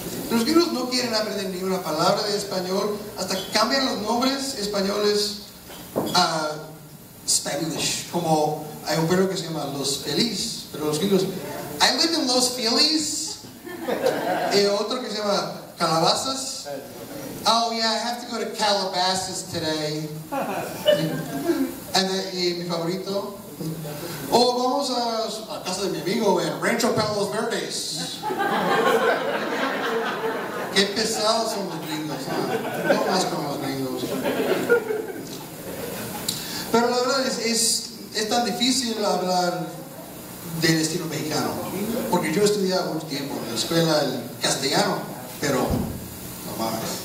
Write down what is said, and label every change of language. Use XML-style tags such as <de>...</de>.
<es>Los gringos no quieren aprender ni una palabra de español. Hasta cambian los nombres españoles a Spanglish. Como hay un pueblo que se llama Los Feliz. Pero los gringos,</es> <en>I live in Los Feliz.</en> <es>Y otro que se llama Calabasas.</es> <en>Oh yeah, I have to go to Calabasas today.</en> <es>Y mi favorito. Oh, vamos a casa de mi amigo en Rancho Palos Verdes. Qué pesados son los gringos, ¿eh? No más como los gringos. Pero la verdad es tan difícil hablar del estilo mexicano, porque yo estudiaba mucho tiempo en la escuela el castellano, pero no más.</es>